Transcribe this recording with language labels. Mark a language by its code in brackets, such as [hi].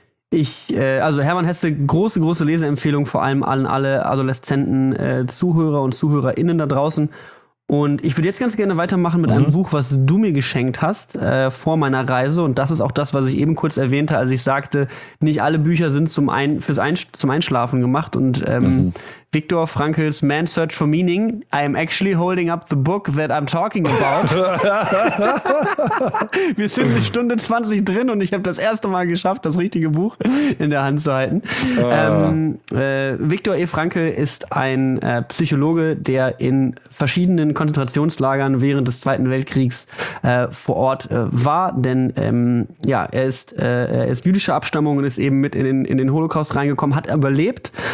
[de] Also Hermann Hesse, große, große Leseempfehlung, vor allem an alle Adoleszenten, Zuhörer und ZuhörerInnen da draußen. Und ich würde jetzt ganz gerne weitermachen mit einem Buch, was du mir geschenkt hast vor meiner Reise. Und das ist auch das, was ich eben kurz erwähnte, als ich sagte, nicht alle Bücher sind zum Einschlafen gemacht. [en] Und Viktor Frankls Man's Search for Meaning, I am actually holding up the book that I'm talking about. [de] Wir sind eine Stunde 20 drin und ich habe das erste Mal geschafft, das richtige Buch in der Hand zu halten. Viktor E. Frankl ist ein Psychologe, der in verschiedenen Konzentrationslagern während des Zweiten Weltkriegs vor Ort war, denn er ist jüdischer Abstammung und ist eben mit in den Holocaust reingekommen, hat überlebt